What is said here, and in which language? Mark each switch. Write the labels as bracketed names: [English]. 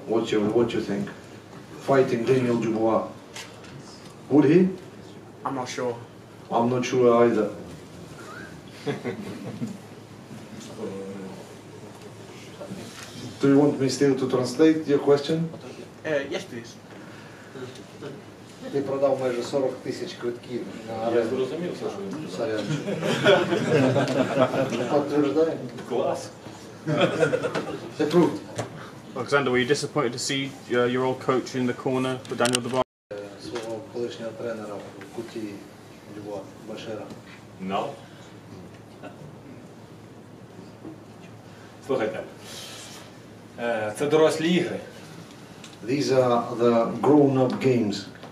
[English] What you think? Fighting Daniel Dubois. Would he? I'm not sure. I'm not sure either. Uh, Do you want me still to translate your question? Yes, please. [Ukrainian] Ти продав майже 40 тисяч квитків на арену. Я зрозумів, все що він сказав. Підтверджує. Клас. Це пруфт. [English] Олександр, were you disappointed to see your old coach in the corner with Daniel Dubois? [Ukrainian] Свого колишнього тренера в куті Львова Башера. No. Слухайте. Це дорослі ігри. [English] These are the grown-up games.